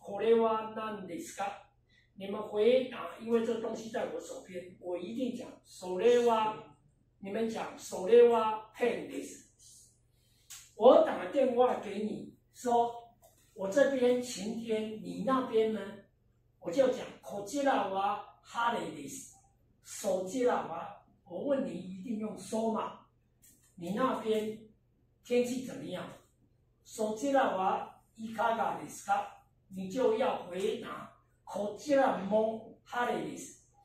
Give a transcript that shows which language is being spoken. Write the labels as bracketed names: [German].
[Japanese] これは何ですか？ [Chinese] 你们回答，因为这东西在我手边，我一定讲それは，你们讲 [Japanese] それは変です。 [Chinese] 我打电话给你说我这边晴天，你那边呢？我就讲 [Japanese] こちらは晴れです。 [Chinese] そちらは，我问你一定用そ嘛，你那边天气怎么样？ [Japanese] そちらはいかがですか？ [Chinese] 你就要回答 [Japanese] こちらも晴れです。